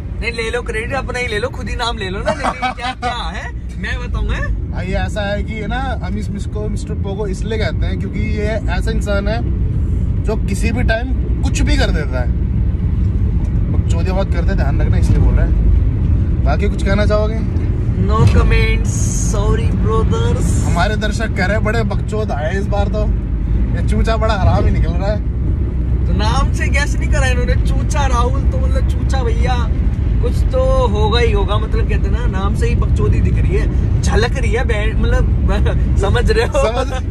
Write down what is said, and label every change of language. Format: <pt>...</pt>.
<hi>नहीं ले लो क्रेडिट, अपना ही ले लो, खुद ही नाम ले लो ना। क्या क्या है मैं बताऊंगा भाई, ऐसा है कि ना हम इस मिस्टर पोगो इसलिए कहते हैं क्योंकि ये ऐसा इंसान है जो किसी भी टाइम कुछ भी कर देता है। चौधरी बात करते ध्यान रखना इसलिए बोल रहे हैं। बाकी कुछ कहना चाहोगे?</hi> <en>No comments, sorry brothers.</en> <hi>हमारे दर्शक कह रहे हैं बड़े बकचोद आए इस बार, तो ये चूचा बड़ा आराम ही निकल रहा है। तो नाम से गैस नहीं करा इन्होंने, चूचा राहुल तो मतलब चूचा भैया कुछ तो होगा ही होगा। मतलब कहते ना नाम से ही बकचोदी दिख रही है, झलक रही है, मतलब समझ रहे हो</hi>